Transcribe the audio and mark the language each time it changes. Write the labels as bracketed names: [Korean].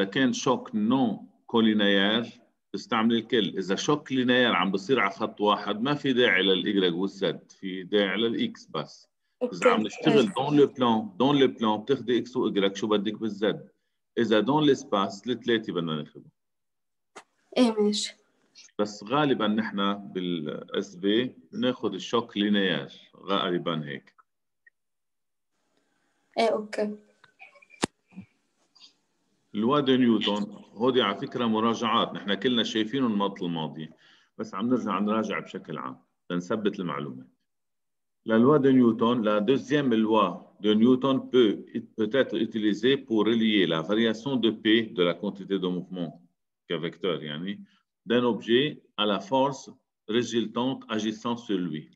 [French] qu'il y a un choc non collinéaire, vous utilisez lequel? Si un choc linéaire va se faire sur un ligne, il n'y a pas de Y ou Z, il y a de X. [Arabic] إذا عم نشتغل دون لو بلان بتاخذي اكس واي شو بدك بالزد اذا دون الاسباس الثلاثه بدنا ناخذها ايه ماشي بس غالبا نحن بالاس بي بناخذ الشوك لينير غالبا هيك ايه اوكي الواد نيوتن هودي على فكره مراجعات نحن كلنا شايفينه النمط الماضي بس عم نرجع نراجع بشكل عام لنثبت المعلومه [French] La loi de Newton, la deuxième loi de Newton peut être utilisée pour relier la variation de P, de la quantité de mouvement, qu'un vecteur, d'un objet à la force résultante agissant sur lui.